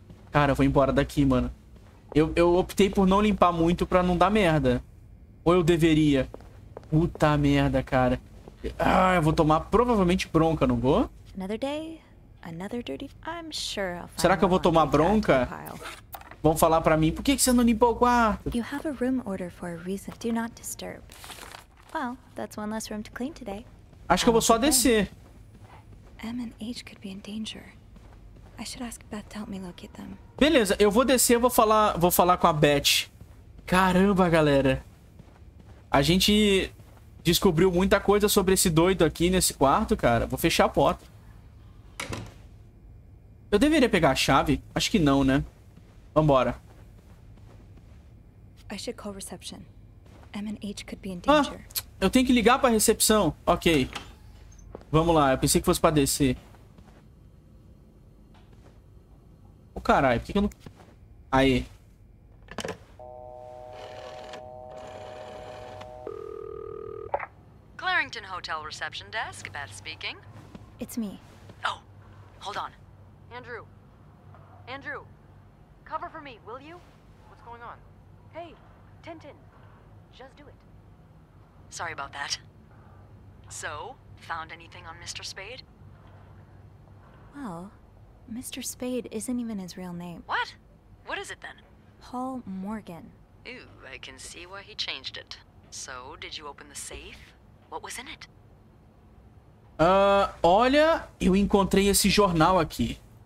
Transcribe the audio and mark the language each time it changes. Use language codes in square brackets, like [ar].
[pt] Cara, eu vou embora daqui, mano. Eu optei por não limpar muito pra não dar merda. Ou eu deveria? Puta merda, cara. Ah, eu vou tomar provavelmente bronca, não vou? [en] Another day, another dirty... I'm sure I'll find. [pt] Será que eu vou tomar bronca? Vão falar pra mim, por que você não limpou o quarto? [en] You have a room order for a reason. Do not disturb. Well, that's one less room to clean today. [pt] Acho que eu vou só descer. [en] M and H could be in danger. I should ask Beth to help me locate them. [pt] Beleza, eu vou descer, eu vou falar com a Beth. Caramba, galera. A gente descobriu muita coisa sobre esse doido aqui nesse quarto, cara. Vou fechar a porta. Eu deveria pegar a chave? Acho que não, né? Vambora. [en] I should call reception. M and H could be in danger. [pt] Eu tenho que ligar pra recepção. Ok. Vamos lá, eu pensei que fosse pra descer. Ô, caralho, por que eu não... Aê. [en] Clarington Hotel Reception Desk, Beth speaking. It's me. Oh, hold on. Andrew. Andrew, cover for me, will you? What's going on? Hey, Tintin, just do it. Sorry about that. So, found anything on Mr. Spade? Well, Mr. Spade isn't even his real name. What? What is it then? Paul Morgan. Ew, I can see why he changed it. So, did you open the safe? What was in it? [pt] Olha, eu encontrei esse jornal aqui.